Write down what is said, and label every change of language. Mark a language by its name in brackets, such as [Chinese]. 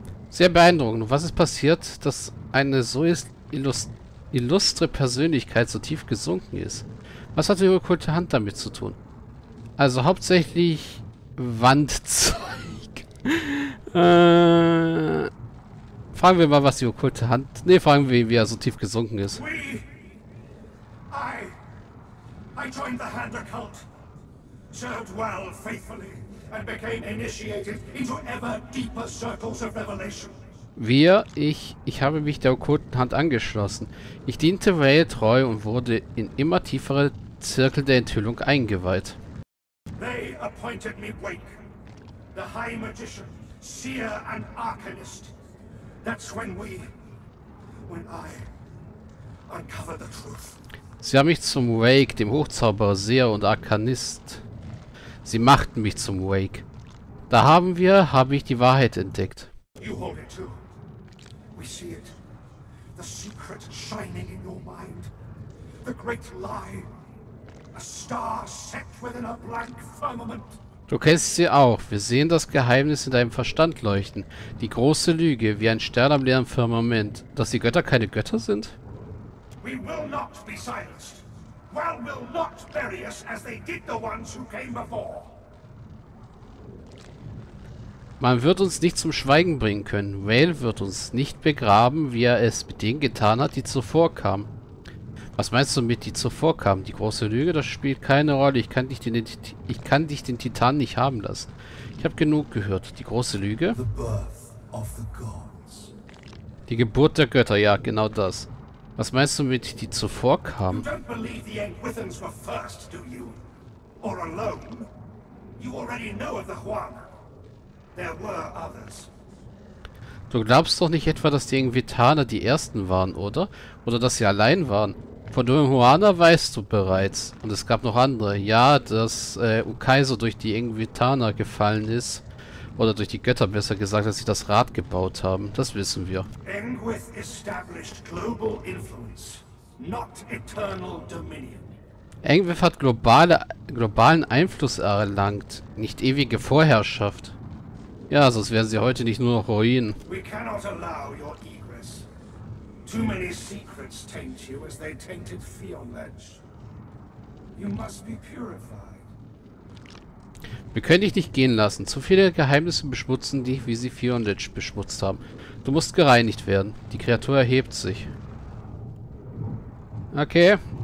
[German] Sehr beeindruckend. Was ist passiert, dass eine so illustre Persönlichkeit so tief gesunken ist? Was hat die okkulte Hand damit zu tun? Also hauptsächlich Wandzeug. Fragen wir mal, was die okkulte Hand... Ne, fragen wir, wie er so tief gesunken ist. [English] I joined the Hand Occult. Served well, faithfully, and became initiated into ever deeper circles of revelation. [German] Ich habe mich der okkulten Hand angeschlossen. Ich diente Vale treu und wurde in immer tiefere Zirkel der Enthüllung eingeweiht. [English] They appointed me Wake, the High Magician, Seer and Arcanist. That's when I uncover the truth. [German] Sie haben mich zum Wake, dem Hochzauberer, Seer und Arcanist. Sie machten mich zum Wake. Da habe ich die Wahrheit entdeckt. [English] You hold it too. We see it. The secret shining in your mind. The great lie. A star set within a blank firmament. [German] Du kennst sie auch. Wir sehen das Geheimnis in deinem Verstand leuchten. Die große Lüge, wie ein Stern am leeren Firmament. Dass die Götter keine Götter sind? [English] We will not be silenced. Well will not bury us as they did the ones who came before. [German] Man wird uns nicht zum Schweigen bringen können. Vale wird uns nicht begraben, wie er es mit denen getan hat, die zuvor kamen. Was meinst du mit die zuvor kamen? Die große Lüge, das spielt keine Rolle. Ich kann dich den Titan nicht haben lassen. Ich habe genug gehört. Die große Lüge? [English] The birth of the gods. [German] Die Geburt der Götter, ja, genau das. Was meinst du mit die zuvor kamen? [English] You don't believe the Enquithans were first, do you? Or alone? You already know of the Huan. There were others. [German] Du glaubst doch nicht etwa, dass die Enquithaner die Ersten waren, oder? Oder dass sie allein waren? Von dem Huana weißt du bereits. Und es gab noch andere. Ja, dass Ukaiso durch die Enquithaner gefallen ist. Oder durch die Götter, besser gesagt, dass sie das Rad gebaut haben. Das wissen wir. [English] Enquith established global influence, not eternal dominion. [German] Enquith hat globalen Einfluss erlangt, nicht ewige Vorherrschaft. Ja, sonst wären sie heute nicht nur noch Ruinen. [English] We cannot allow your egress. Too many secrets taint you as they tainted Fionledge. You must be purified. [German] Wir können dich nicht gehen lassen. Zu viele Geheimnisse beschmutzen dich, wie sie Fionledge beschmutzt haben. Du musst gereinigt werden. Die Kreatur erhebt sich. Okay.